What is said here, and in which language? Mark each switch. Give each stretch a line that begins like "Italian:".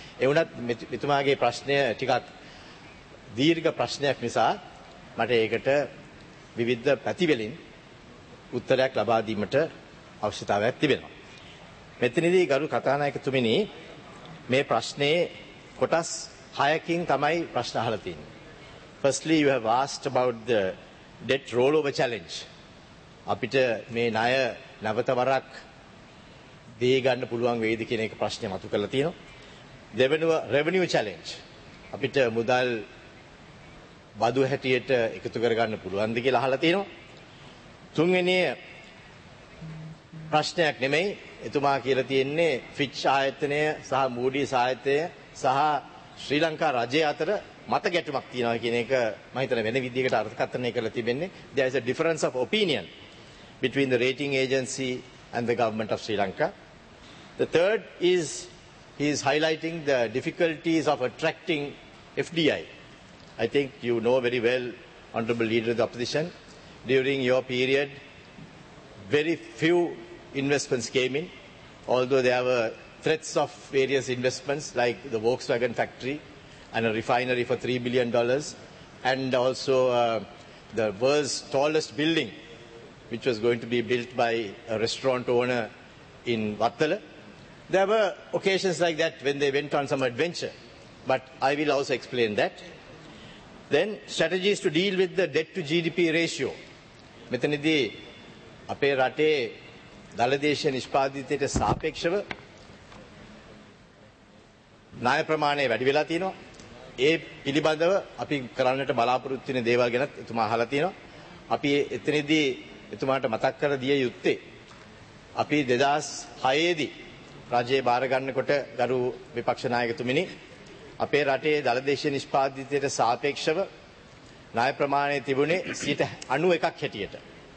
Sinhala: ඒ වුණත් මෙතුමාගේ ප්‍රශ්නය ටිකක් දීර්ඝ ප්‍රශ්නයක් නිසා මට ඒකට විවිධ පැතිවලින් උත්තරයක් ලබා දීමට අවශ්‍යතාවයක් තිබෙනවා. මෙතනදී ගරු කථානායකතුමනි, මේ ප්‍රශ්නේ කොටස් 6කින් තමයි ප්‍රශ්න අහලා තියෙන්නේ.
English: Firstly, you have asked about the debt rollover challenge.
Sinhala: අපිට මේ ණය නැවත වරක් දී ගන්න පුළුවන් වේවිද කියන එක ප්‍රශ්නේ මතු කරලා තියෙනවා. දෙවෙනුව
English: revenue challenge.
Sinhala: අපිට මුදල් බදු හැටියට එකතු කරගන්න පුළුවන්ද කියලා අහලා තිනවා. තුන්වෙනි ප්‍රශ්නයක් නෙමෙයි, එතුමා කියලා තියෙන්නේ ෆිච් ආයතනය සහ මූඩි ආයතනය සහ ශ්‍රී ලංකා රජය අතර මත ගැටුමක් තියෙනවා කියන එක මම හිතන වෙන විදිහකට අර්ථකථනය කරලා තිබෙන්නේ.
English: There is a difference of opinion between the rating agency and the government of Sri Lanka. The third is, he is highlighting the difficulties of attracting FDI. I think you know very well, Honorable Leader of the Opposition, during your period, very few investments came in, although there were threats of various investments like the Volkswagen factory and a refinery for $3 billion and also the world's tallest building, which was going to be built by a restaurant owner in Vattala. There were occasions like that when they went on some adventure, but I will also explain that. Then strategies to deal with the debt to GDP ratio.
Sinhala: මෙතනදී අපේ රටේ දලදේශ නිෂ්පාදිතයට සාපේක්ෂව ණය ප්‍රමාණය වැඩි වෙලා තියෙනවා. ඒ පිළිබඳව අපි කරන්නට බලාපොරොත්තු වෙන දේවල් ගැනත් එතුමා අහලා තියෙනවා. අපි එතනදී එතුමාට මතක් කර දිය යුත්තේ අපි 2006 දී රජයේ බාර ගන්නකොට ගරු විපක්ෂ නායකතුමනි, අපේ රටේ දලදේශ නිෂ්පාදිතයට සාපේක්ෂව ණය ප්‍රමාණය තිබුණේ 91%ක් හැටියට.